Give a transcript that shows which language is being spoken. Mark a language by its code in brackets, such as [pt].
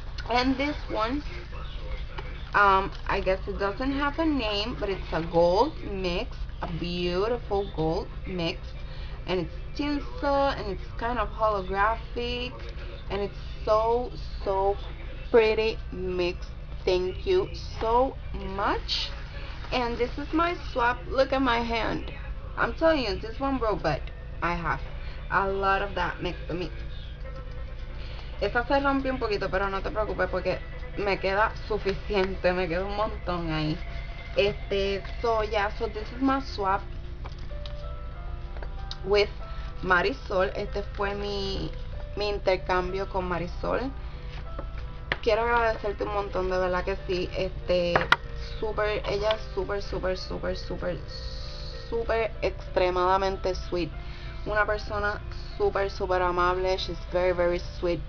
[en] And this one, I guess it doesn't have a name, but it's a gold mix, a beautiful gold mix, and it's tinsel, and it's kind of holographic, and it's so pretty mix. Thank you so much. And this is my swap. Look at my hand. I'm telling you, this one broke, but I have a lot of that mix. [es] Esta se rompió un poquito, pero no te preocupes porque me queda suficiente, me queda un montón ahí. Este, [en] so yeah, so this is my swap with Marisol. [es] Este fue mi intercambio con Marisol. Quiero agradecerte un montón, de verdad que sí. Este, ella es super extremadamente [en] sweet. [es] Una persona super amable. [en] She's very sweet.